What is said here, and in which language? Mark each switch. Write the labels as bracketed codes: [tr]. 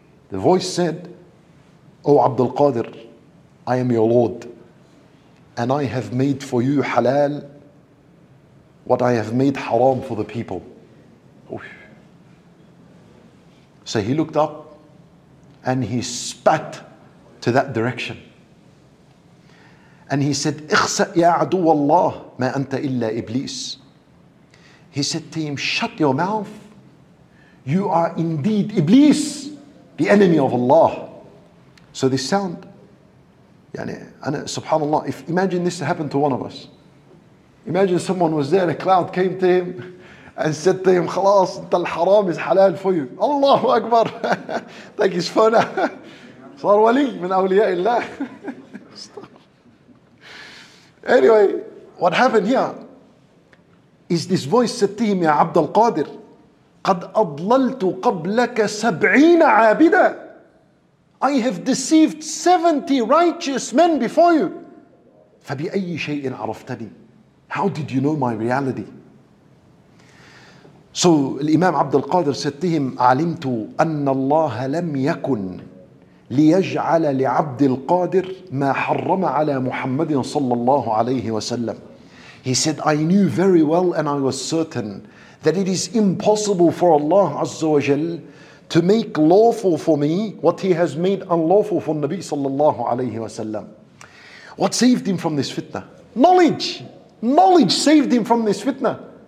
[en] The voice said, O Abdul Qadir, I am your Lord, and I have made for you halal what I have made haram for the people. So he looked up and he spat to that direction. [ar] And he said, اخسأ يا عدو الله ما أنت إلا إبليس. [en] He said to him, shut your mouth. You are indeed Iblis, the enemy of Allah. So this sound, subhanAllah, if imagine this happened to one of us. Imagine someone was there, a cloud came to him and said to him, khalas, the haram is halal for you. Allahu Akbar. Take his phone out. [ar] Sar wali min awliya illah. [en] Anyway, what happened here is this voice said to him, Ya Abd al Qadir, [ar] قَدْ أَضْلَلْتُ قَبْلَكَ سَبْعِينَ عَابِدًا. [en] I have deceived 70 righteous men before you. [ar] فَبِأَيِّ شَيْءٍ عَرَفْتَنِي. [en] How did you know my reality? So Imam Abd al-Qadir said to him, [ar] عَلِمْتُ أَنَّ اللَّهَ لَمْ يَكُنْ لِيَجْعَلَ لِعَبْدِ الْقَادِرِ مَا حَرَّمَ عَلَى مُحَمَّدٍ صَلَّى اللَّهُ عَلَيْهِ وَسَلَّمَ. [en] He said, I knew very well and I was certain that it is impossible for Allah Azza wa Jal to make lawful for me what He has made unlawful for Nabi sallallahu alayhi wa sallam. What saved him from this fitna? Knowledge! Knowledge saved him from this fitna.